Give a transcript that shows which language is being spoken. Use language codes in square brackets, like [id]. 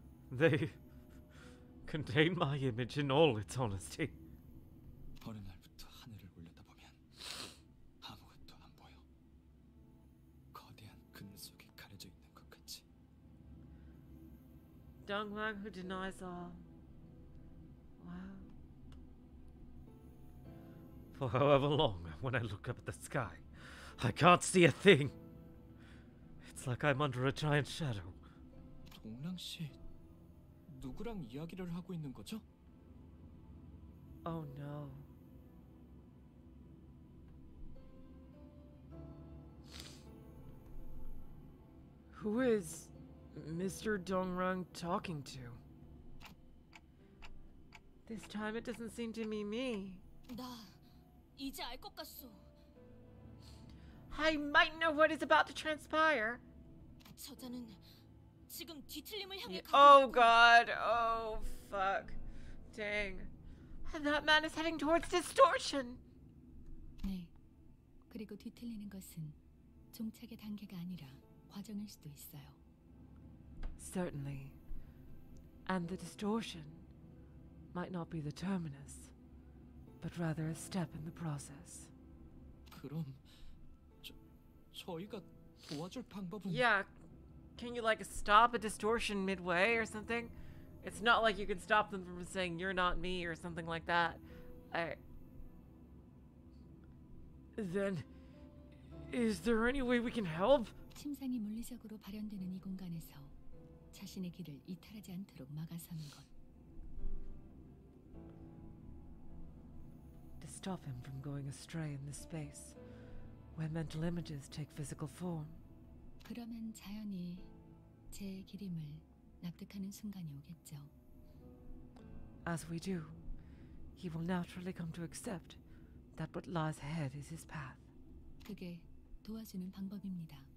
[en] They contain my image in all its honesty. [ko] 어느 날부터 하늘을 올려다보면 아무것도 안 보여. 거대한 그늘 속에 가려져 있는 것 같지. [en] Dongrang who denies all. For however long, when I look up at the sky, I can't see a thing. It's like I'm under a giant shadow. [ko] 동랑 씨, 누구랑 이야기를 하고 있는 거죠? [en] Oh no. Who is Mr. Dongrang talking to? This time it doesn't seem to be me. [ko] 나. 이제 알 것 같소. [en] I might know what is about to transpire. [ko] 저자는 지금 뒤틀림을 향해 가고 있고. [en] Oh god. Oh fuck. Dang. That man is heading towards distortion. [ko] 네. 그리고 뒤틀리는 것은 종착의 단계가 아니라 과정일 수도 있어요. [en] Certainly. And the distortion might not be the terminus. But rather a step in the process. [ko] 그럼 저희가 도와줄 방법은 [en] Yeah, can you like stop a distortion midway or something? It's not like you can stop them from saying you're not me or something like that. Then is there any way we can help? [ko] 침상이 물리적으로 발현되는 이 공간에서 자신의 길을 이탈하지 않도록 막아서는 것. [en] Stop him from going astray in this space where mental images take physical form. [ko] 그러면 자연히 제 기림을 납득하는 순간이 오겠죠. [en] As we do, he will naturally come to accept that what lies ahead is his path. [ko] 그게 도와주는 방법입니다.